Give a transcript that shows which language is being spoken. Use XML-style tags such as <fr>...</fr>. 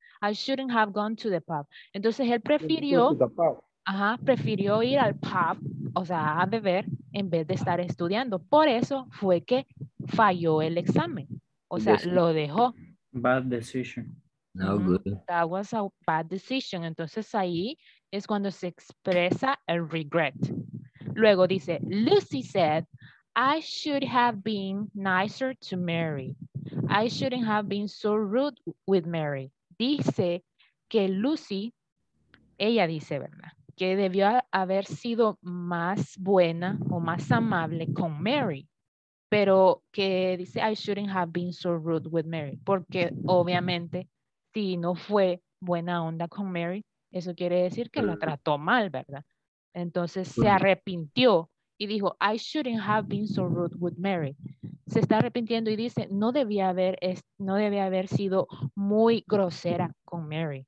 <en>I shouldn't have gone to the pub.</en> <es>Entonces él prefirió ir al pub, o sea, a beber, en vez de estar estudiando. Por eso fue que falló el examen. O sea, lo dejó.</es> <en>Bad decision. No good. That was a bad decision.</en> <es>Entonces ahí es cuando se expresa el regret. Luego dice,</es> <en>Lucy said, I should have been nicer to Mary. I shouldn't have been so rude with Mary.</en> <es>Dice que Lucy, ella dice, ¿verdad? Que debió haber sido más buena o más amable con Mary. Pero que dice,</es> <en>I shouldn't have been so rude with Mary.</en> <es>Porque obviamente, si no fue buena onda con Mary, eso quiere decir que la trató mal, ¿verdad? Entonces se arrepintió y dijo,</es> <en>I shouldn't have been so rude with Mary.</en> <es>Se está arrepintiendo y dice, no debía haber sido muy grosera con Mary.</es>